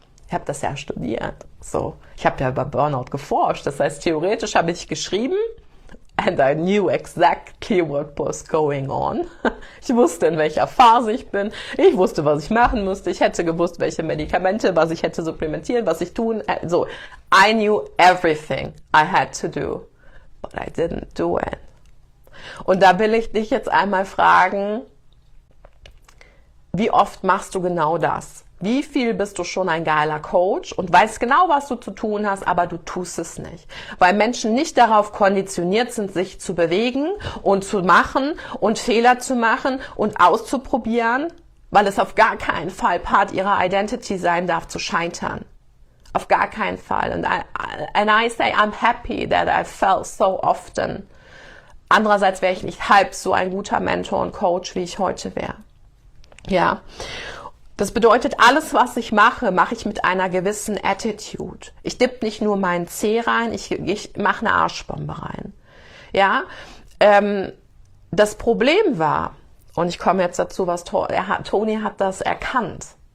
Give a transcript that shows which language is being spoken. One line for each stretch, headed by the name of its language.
German: Ich habe das ja studiert. So, ich habe ja über Burnout geforscht. Das heißt, theoretisch habe ich geschrieben,
English: and I knew exactly what was going on.
German: Ich wusste, in welcher Phase ich bin. Ich wusste, was ich machen musste. Ich hätte gewusst, welche Medikamente, was ich hätte supplementieren, was ich tun.
English: So, I knew everything I had to do, but I didn't do it.
German: Und da will ich dich jetzt einmal fragen, wie oft machst du genau das? Wie viel bist du schon ein geiler Coach und weißt genau, was du zu tun hast, aber du tust es nicht, weil Menschen nicht darauf konditioniert sind, sich zu bewegen und zu machen und Fehler zu machen und auszuprobieren, weil es auf gar keinen Fall Part ihrer Identity sein darf, zu scheitern. Auf gar keinen Fall.
English: And I say I'm happy that I fell so often.
German: Andererseits wäre ich nicht halb so ein guter Mentor und Coach, wie ich heute wäre. Ja, das bedeutet, alles, was ich mache, mache ich mit einer gewissen Attitude. Ich dippe nicht nur meinen Zeh rein, ich mache eine Arschbombe rein. Ja, das Problem war, und ich komme jetzt dazu, was Tony hat das erkannt.